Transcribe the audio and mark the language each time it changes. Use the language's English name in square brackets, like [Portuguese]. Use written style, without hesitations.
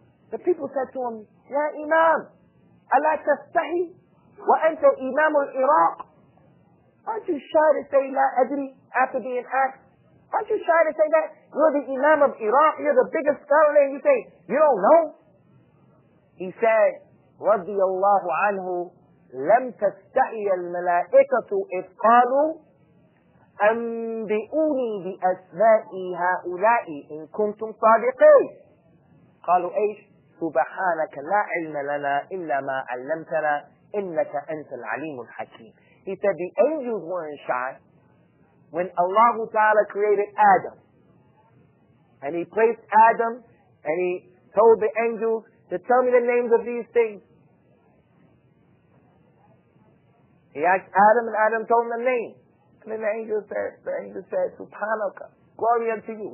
[English] The people said to him, [Arabic] Ya Imam, ala tastahi wa anta Imam al-Iraq. [English] Aren't you shy to say La adri after being asked? Aren't you shy to say that? You're the Imam of Iraq, you're the biggest scholar, and you say, you don't know? He said, [Arabic] رضي الله عنه لم تستحي الملائكة إذ قالوا أنبئوني بأسماء هؤلاء إن كنتم صادقين. قالوا إيش؟ سبحانك لا علم لنا إلا ما علمتنا إنك أنت العليم الحكيم. [English] He said the angels weren't shy when Allah Ta'ala created Adam. And he placed Adam and he told the angels to tell me the names of these things. He asked Adam and Adam told him the name. And then the angel said, Subhanaka, glory unto you.